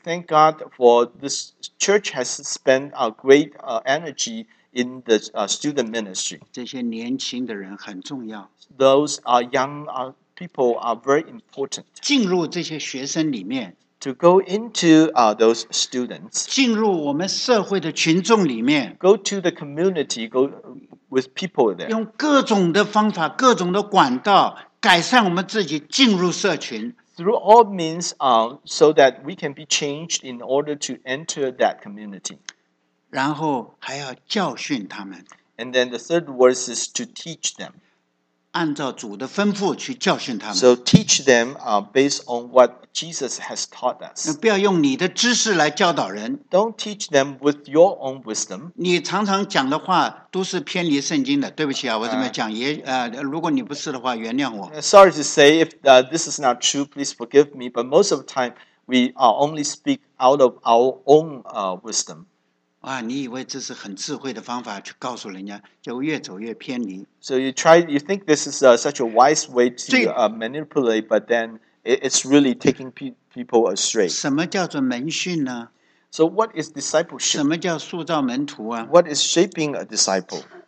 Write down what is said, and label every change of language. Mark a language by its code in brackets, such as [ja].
[en] thank God for this church has spent a great energy in the student ministry. [zh] 这些年轻的人很重要。 [en] Those young people are very important. [zh] 进入这些学生里面, [en] to go into those students. [zh] 进入我们社会的群众里面, [en] go to the community, go with people there. [zh] 用各种的方法, 各种的管道, 改善我们自己, [en] through all means so that we can be changed in order to enter that community. [zh] 然后还要教训他们, [en] and then the third word is to teach them. [zh] 按照主的吩咐去教训他们, [en] so teach them based on what Jesus has taught us. [zh] 不要用你的知识来教导人, [en] don't teach them with your own wisdom. [zh] 你常常讲的话都是偏离圣经的, 对不起啊, 我怎么讲, 也, 如果你不是的话, 原谅我。 [en] Sorry to say, if this is not true, please forgive me, but most of the time, we only speak out of our own wisdom. [zh] 啊, 你以为这是很智慧的方法, 去告诉人家, 就越走越偏离。 [en] So you try, you think this is such a wise way to manipulate, but then it's really taking people astray. [zh] 什么叫做门训呢? [en] So what is discipleship? [zh] 什么叫塑造门徒啊? [en] What is shaping a disciple?